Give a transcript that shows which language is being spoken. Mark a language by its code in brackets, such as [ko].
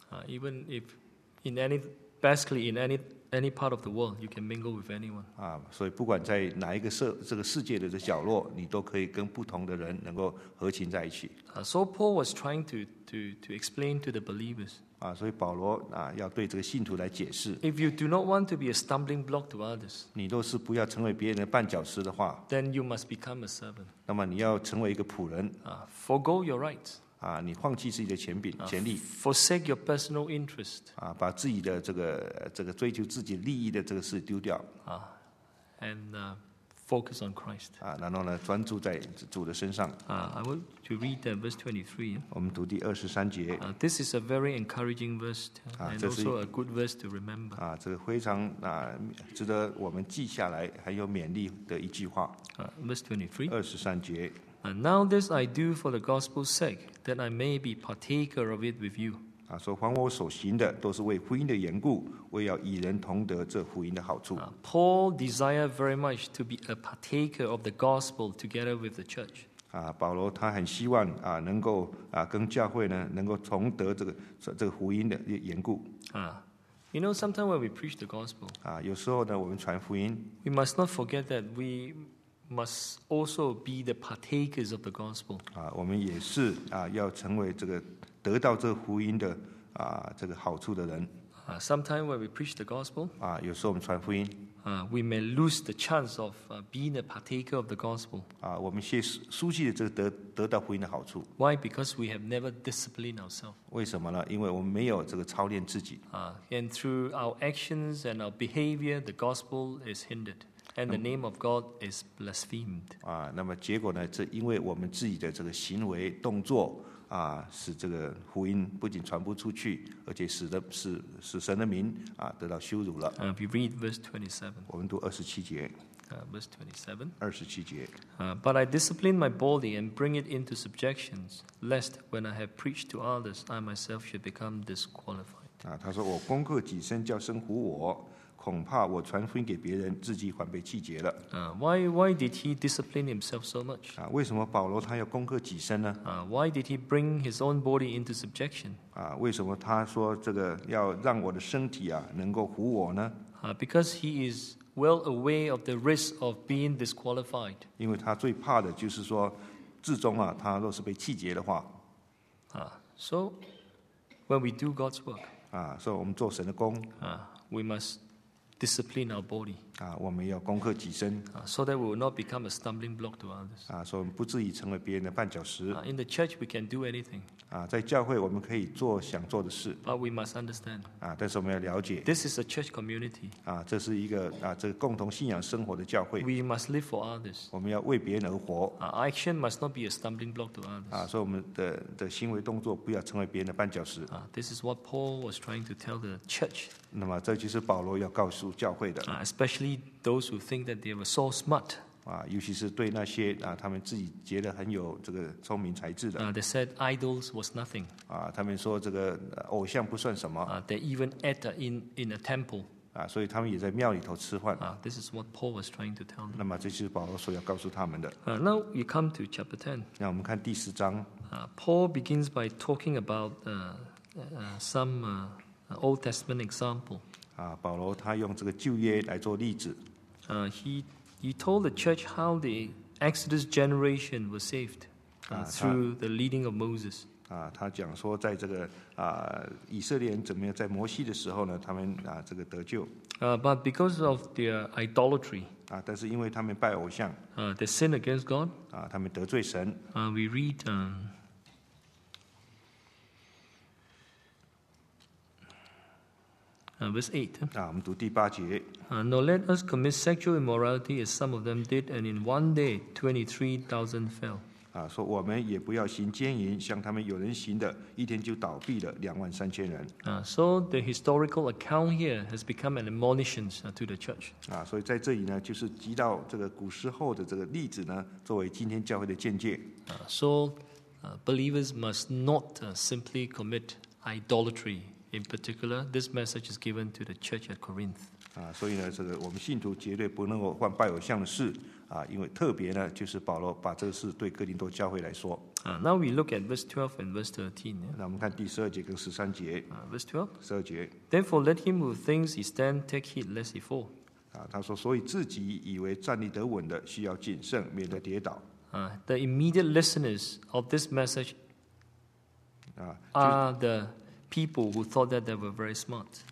[en] Even if in any basically in any part of the world, you can mingle with anyone. [zh] 所以不管在哪一个世界的角落，你都可以跟不同的人能够合情在一起。 [en] So Paul was trying to explain to the believers. [zh] 所以保罗要对这个信徒来解释。 [en] If you do not want to be a stumbling block to others, [zh] 你若是不要成为别人的绊脚石的话 [en] ，then you must become a servant. [zh] 那么你要成为一个仆人。 [en] Forgo your rights. [zh] 你放弃自己的权利 [en] ，forsake your personal interest， [zh] 把自己的这个追求自己利益的这个事丢掉 [en] ，and focus on Christ， [zh] 然后呢，专注在主的身上 [en] ，I want to read verse 23。 [zh] 我们读第二十三节。 [en] This is a very encouraging verse and also a good verse to remember。 [zh] 这个非常值得我们记下来，很有勉励的一句话。 [en] Verse 23。 [zh] 二十三节。 [en] Now this I do for the gospel's sake, that I may be partaker of it with you. [zh] 所以凡我所行的都是为福音的缘故，为要与人同得这福音的好处。 [en] Paul desired very much to be a partaker of the gospel together with the church. [zh] 保罗他很希望能够跟教会呢能够同得这个福音的缘故。 [en] You know, sometimes when we preach the gospel, [zh] 有时候呢我们传福音 [en] ，we must not forget that we must also be the partakers of the gospel. [zh] 我们也是要成为这个得到这福音的这个好处的人。 [en] Sometimes when we preach the gospel, [zh] 有时候我们传福音 [en] we may lose the chance of being a partaker of the gospel. [zh] 我们失去了这个得到福音的好处。 [en] Why? Because we have never disciplined ourselves. [zh] 为什么呢？因为我们没有这个操练自己。 [en] And through our actions and our behavior, the gospel is hindered. And the name of God is blasphemed. [zh] 那么结果呢？这因为我们自己的这个行为动作使这个福音不仅传不出去，而且使神的名得到羞辱了。 [en] We read verse 27. [zh] 我们读二十七节。 [en] Verse 27. [zh] 二十七节。 [en] But I discipline my body and bring it into subjection, lest when I have preached to others, I myself should become disqualified. [zh] 他说：“我攻克己身，叫身服我。” 恐怕我传福音给别人，自己反被气绝了。 [en] Why did he discipline himself so much？ [zh] 为什么保罗他要攻克己身呢？ [en] Why did he bring his own body into subjection？ [zh] 为什么他说这个要让我的身体能够服我呢？ [en] Because he is well aware of the risk of being disqualified。 [zh] 因为他最怕的就是说，至终他若是被气绝的话。 [en] So when we do God's work， [zh] 所以我们做神的工。 [en] We must。 Discipline our body. [zh] 我们要攻克己身。 [en] So that we will not become a stumbling block to others. [zh] 所以我们不至于成为别人的绊脚石。 [en] In the church, we can do anything. [zh] 在教会我们可以做想做的事。 [en] But we must understand. [zh] 但是我们要了解。 [en] This is a church community. [zh] 这是一个这个共同信仰生活的教会。 [en] We must live for others. [zh] 我们要为别人而活。 [en] Action must not be a stumbling block to others. [zh] 所以我们的行为动作不要成为别人的绊脚石。 [en] This is what Paul was trying to tell the church. [zh] 那么这就是保罗要告诉教会的。 [en] Especially those who think that they were so smart. [zh] 尤其是对那些他们自己觉得很有这个聪明才智的。 [en] They said idols was nothing. [zh] 他们说这个偶像不算什么。 [en] They even ate in a temple. [zh] 所以他们也在庙里头吃饭。 [en] This is what Paul was trying to tell them. [zh] 那么这就是保罗所要告诉他们的。 [en] Now we come to chapter 10. [zh] 那我们看第十章。 [en] Paul begins by talking about some Old Testament example. [zh] 保罗他用这个旧约来做例子。 [en] He told the church how the Exodus generation was saved through the leading of Moses. [zh] 他讲说在这个以色列人怎么样在摩西的时候呢，他们这个得救。 [en] But because of their idolatry, [zh] 但是因为他们拜偶像。 [en] They sin against God. [zh] 他们得罪神。 [en] We read verse 8. [zh] 我们读第八节。 [en] Nor let us commit sexual immorality as some of them did, and in one day 23,000 fell. [zh] 说我们也不要行奸淫，像他们有人行的，一天就倒闭了23,000人。 [en] So the historical account here has become an admonition to the church. [zh] 所以在这里呢，就是提到这个古时候的这个例子呢，作为今天教会的见解。 [en] So believers must not simply commit idolatry. In particular, this message is given to the church at Corinth. [zh] 所以呢，这个我们信徒绝对不能够犯拜偶像的事因为特别呢，就是保罗把这个事对哥林多教会来说。 [en] Now we look at verse 12 and verse 13. [zh] 那我们看第十二节跟十三节。 [en] Verse 12. [zh] 十二节。 [en] Therefore, let him who thinks he stand take heed lest he fall. [zh] 他说，所以自己以为站立得稳的，需要谨慎，免得跌倒。 [en] The immediate listeners of this message are the people who thought that they were very smart.